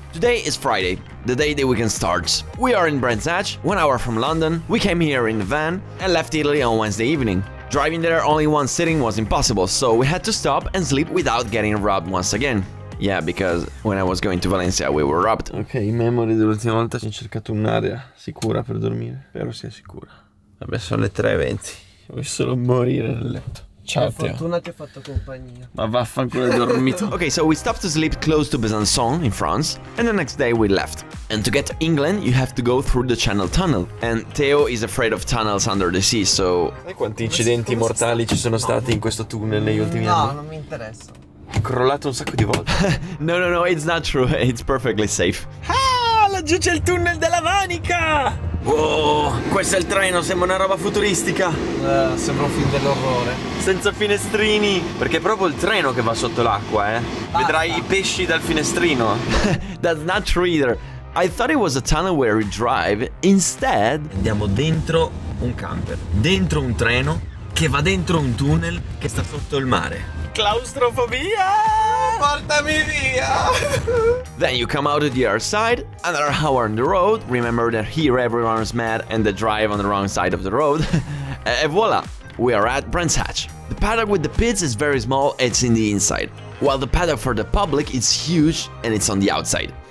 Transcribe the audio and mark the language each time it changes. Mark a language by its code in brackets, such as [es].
[en] Today is Friday, the day the weekend starts. We are in Brands Hatch, 1 hour from London. We came here in the van and left Italy on Wednesday evening. Driving there only one sitting was impossible, so we had to stop and sleep without getting robbed once again. Yeah, because when I was going to Valencia, we were robbed. [it] Okay, [en] in memory [it] dell'ultima volta ho cercato un'area sicura per dormire. Spero sia sicura. Vabbè, sono le 3:20. Vuoi solo morire nel letto. Ciao, Teo. Fortuna ti ha fatto compagnia. Ma vaffanculo, hai dormito. [en] Okay, so we stopped to sleep close to Besançon in France, and the next day we left. And to get to England, you have to go through the Channel Tunnel. And Teo is afraid of tunnels under the sea, so... [it] Sai quanti incidenti mortali ci sono stati in questo tunnel negli ultimi anni? No, non mi interessa. È crollato un sacco di volte. [en] No, it's not true. It's perfectly safe. [it] Ah, laggiù c'è il tunnel della Manica! Wow, questo è il treno, sembra una roba futuristica. Sembra un film dell'orrore. Senza finestrini. Perché è proprio il treno che va sotto l'acqua, eh. Basta. Vedrai i pesci dal finestrino. [en] That's not true either. I thought it was a tunnel where we drive. Instead... [it] Andiamo dentro un camper. Dentro un treno che va dentro un tunnel che sta sotto il mare. Claustrofobia! Portami via! [en] Then you come out to the other side, another hour on the road, remember that here everyone's mad and they drive on the wrong side of the road, and voila, we are at Brands Hatch. The paddock with the pits is very small, it's in the inside, while the paddock for the public is huge and it's on the outside.